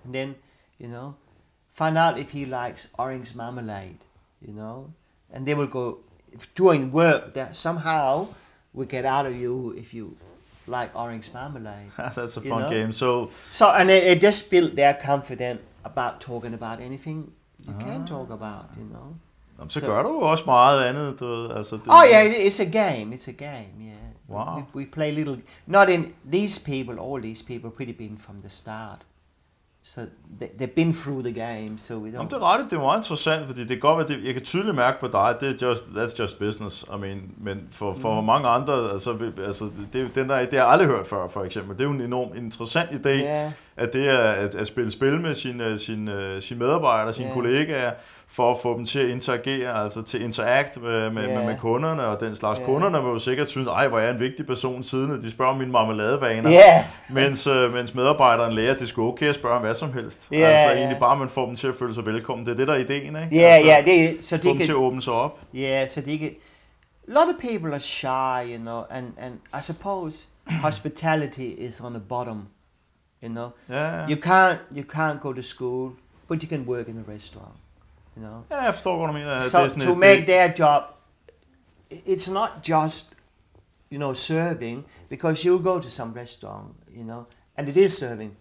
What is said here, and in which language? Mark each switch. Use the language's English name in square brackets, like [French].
[English] And then, you know, find out if he likes orange marmalade, you know. And then we'll go, if during work, that somehow we get out of you if you like orange marmalade. That's a fun game. So, and it just built their confidence about talking about anything you can talk about, you know. [Danish] Jamen, så gør du jo også meget andet, du ved. Altså, [English] it's a game, yeah. Wow. We play little, not in, these people, all these people, pretty been from the start. So they've been through the game, so we don't. [Danish] Jamen, det er rettet, det er meget interessant, fordi det går, godt, jeg kan tydeligt mærke på dig, det er just, [English] that's just business. I mean, [Danish] men for mange andre, altså det har jeg aldrig hørt før, for eksempel. Det er jo en enormt interessant idé, at det er at spille spil med sin medarbejdere, sine kollegaer, for at få dem til at interagere, altså til interact med kunderne og den slags. Yeah. Kunderne vil jo sikkert synes, ej, hvor er jeg en vigtig person siden, de spørger om mine marmeladevaner, mens medarbejderen lærer, at det skulle okay at spørge om hvad som helst. Yeah, altså egentlig bare, man får dem til at føle sig velkommen. Det er det, der er ideen, ikke? Ja, altså, det er så de kan til at åbne sig op. Ja, så de kan. [English] A lot of people are shy, you know, and I suppose hospitality is on the bottom, you know. Yeah. You can't go to school, but you can work in a restaurant. You know? Yeah, I forstår, what I mean. Their job, it's not just, you know, serving, because you go to some restaurant, you know, and it is serving.